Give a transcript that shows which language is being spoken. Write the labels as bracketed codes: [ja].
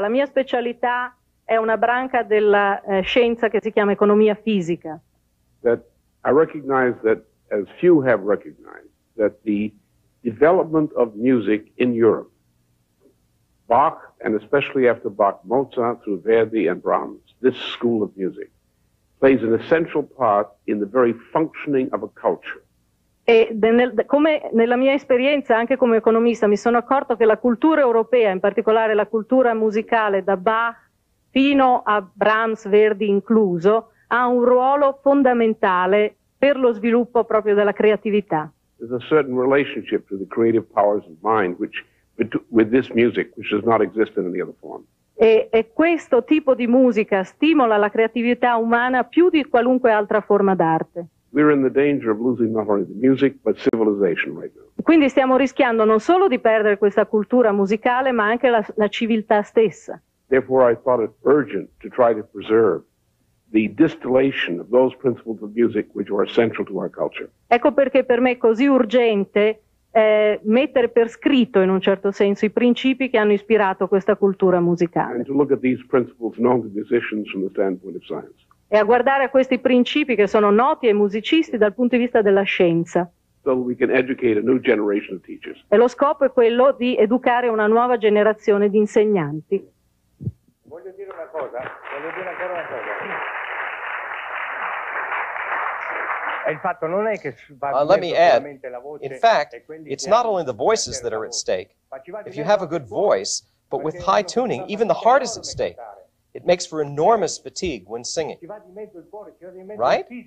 [it] La mia specialità è una branca della scienza che si chiama economia fisica. [en] That I recognize that, as few have recognized, that the development of music in Europe, Bach, and especially after Bach, Mozart, through Verdi and Brahms, this school of music, plays an essential part in the very functioning of a culture. [it] E come nella mia esperienza, anche come economista, mi sono accorto che la cultura europea, in particolare la cultura musicale da Bach fino a Brahms, Verdi incluso, ha un ruolo fondamentale per lo sviluppo proprio della creatività. [en] There's a certain relationship to the creative powers of mind which, with this music, which does not exist in any other form. [it] E questo tipo di musica stimola la creatività umana più di qualunque altra forma d'arte. [en] we're in the danger of losing not only the music but civilization right now. [it] Quindi stiamo rischiando non solo di perdere questa cultura musicale ma anche la civiltà stessa. [en] Therefore, I thought it urgent to try to preserve the distillation of those principles of music which are central to our culture. [it] Ecco perché per me è così urgente mettere per scritto, in un certo senso, i principi che hanno ispirato questa cultura musicale. [en] And to look at these principles known to musicians from the standpoint of science. [it] E a guardare a questi principi che sono noti ai musicisti dal punto di vista della scienza. [en] So we can educate a new generation of teachers. [it] E lo scopo è quello di educare una nuova generazione di insegnanti. Voglio dire una cosa, voglio dire ancora una cosa. [en] Let me add, in fact, it's not only the voices that are at stake. If you have a good voice, but with high tuning, even the heart is at stake. It makes for enormous fatigue when singing. Right?